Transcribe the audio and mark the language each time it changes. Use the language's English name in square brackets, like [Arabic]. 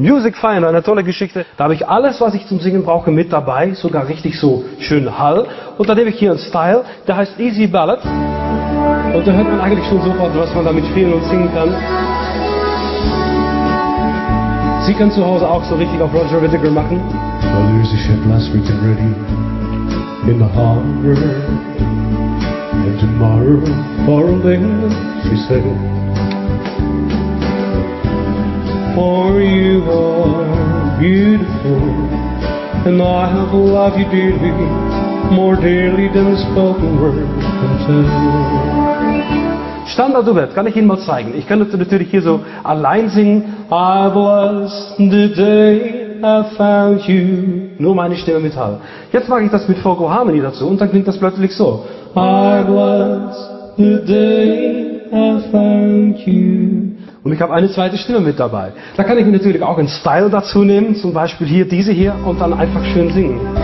[German] Music Fire, eine tolle Geschichte. Da habe ich alles, was ich zum Singen brauche, mit dabei. Sogar richtig so schön Hall. Und da nehme ich hier einen Style, der heißt Easy Ballad. Und da hört man eigentlich schon sofort, was man damit spielen und singen kann. Sie können zu Hause auch so richtig auf Roger Whittaker machen. [English] I lose a ship last week already in the harbor. And tomorrow, far away, she said. For you are beautiful, and I have loved you dearly, more dearly than the spoken word can tell. [German] Standard-Duett, kann ich Ihnen mal zeigen. Ich könnte natürlich hier so allein singen. [English] I bless the day I found you. [German] Nur meine Stimme mit Hall. Jetzt mache ich das mit Vocal Harmony dazu und dann klingt das plötzlich so. [English] I bless the day I found you. [German] Und ich habe eine zweite Stimme mit dabei. Da kann ich mir natürlich auch einen Style dazu nehmen, zum Beispiel hier diese hier und dann einfach schön singen.